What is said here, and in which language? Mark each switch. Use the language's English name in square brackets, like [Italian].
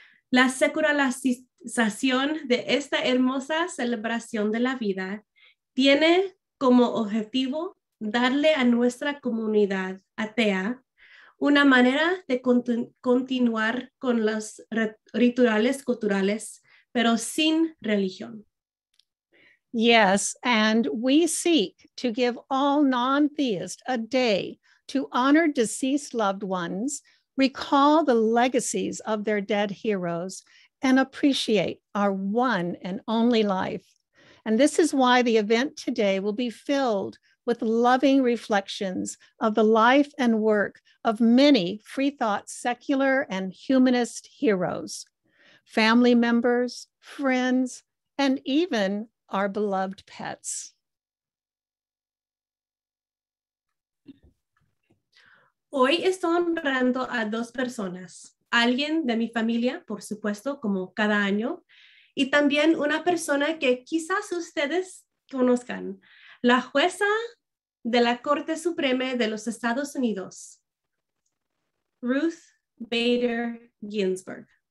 [Spanish] La secularización de esta hermosa celebración de la vida tiene como objetivo darle a nuestra comunidad atea una manera de continuar con los rituales culturales, pero sin religión. [English] Yes, and we seek to give all non-theists a day to honor deceased loved ones, recall the legacies of their dead heroes, and appreciate our one and only life. And this is why the event today will be filled with loving reflections of the life and work of many free thought secular and humanist heroes, family members, friends, and even our beloved pets. [Spanish] Hoy estoy honrando a dos personas, alguien de mi familia, por supuesto, como cada año, y también una persona que quizás ustedes conozcan, la jueza de la Corte Suprema de los Estados Unidos, Ruth Bader Ginsburg.